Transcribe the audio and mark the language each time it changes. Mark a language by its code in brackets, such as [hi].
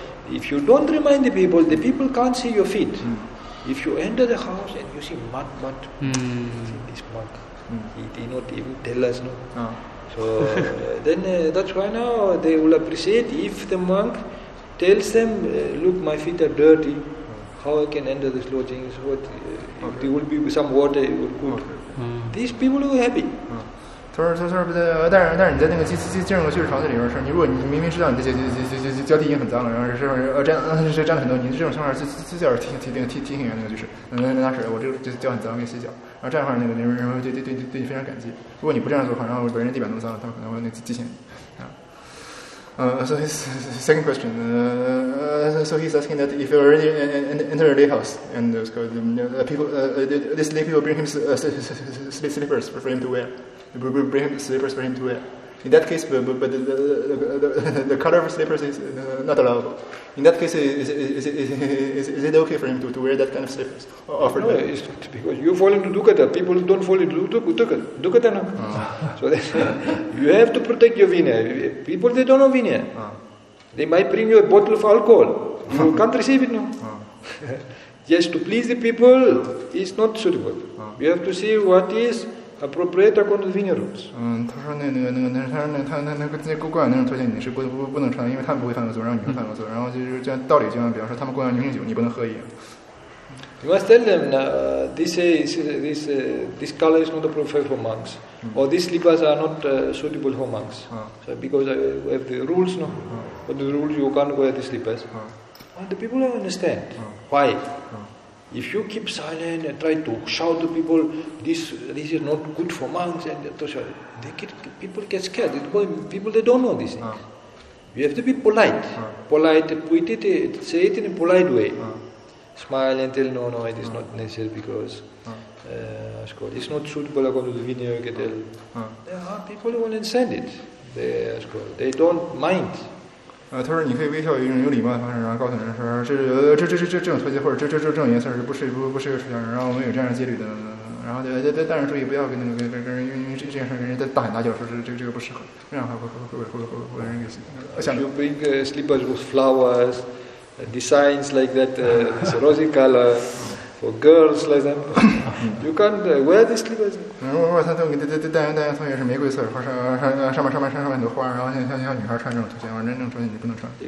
[en] If you don't remind the people can't see your feet. If you enter the house and you see mud, see this mud, he did not even tell us, no. So then that's why now they will appreciate if the monk tells them, look, my feet are dirty, how I can enter this lodging, so what, if there will be some water, it will cool. These people will be happy. [zh] 他说但是你在那个进入个居士房子里面的事，你如果你明明知道你的脚底已经很脏了，然后是沾了很多泥，这种情况下自己提醒那个居士，那是我这个脚很脏，没洗脚，然后这样的话那个人就对你非常感激。如果你不这样做的话，然后别人地板弄脏了，他们可能会提醒你。 [en] So his second question. So he's asking that if you already enter a lay house and this lay people bring him slippers for him to wear. Bring him slippers for him to wear. In that case, but the color of slippers is not allowable. In that case, is it okay for him to wear that kind of slippers? Offered no, it's because you fall into dukkata. People don't fall into dukkata. No. So you have to protect your vinaya. People, they don't know vinaya. They might bring you a bottle of alcohol. You can't receive it now. Just to please the people is not suitable. You have to see what is appropriate according to the vineyard rules. [zh] 他说那个供养那种坐垫你是不能穿的，因为他们不会犯恶罪，让你会犯恶罪。然后就是这样道理，就像比方说他们供养牛奶酒，你不能喝一样。 [en] You must tell them this color is not appropriate for monks, or these slippers are not suitable for monks. So because we have the rules, no? But the rules you can't wear these slippers. And the people don't understand why. If you keep silent and try to shout to people, this is not good for monks, and people get scared. People, they don't know these things. You have to be polite. Polite, put it, say it in a polite way. Smile and tell, no, it is not necessary because it's not suitable according to the vineyard. You can tell. People will understand it. They don't mind. [zh] 他说：“你可以微笑，用有礼貌的方式，然后告诉人说，这种拖鞋或者这种颜色是不适合出家人。然后我们有这样的戒律的。然后但是注意不要跟人用这件事跟人大喊大叫，说这个不适合，这样会人给想。 [en] You bring slippers with flowers, designs like that, this rosy color for girls, like that. You can't wear these slippers. [zh] 如果他都给戴上拖鞋是玫瑰色，或上面很多花，然后像女孩穿这种拖鞋，真正拖鞋你不能穿。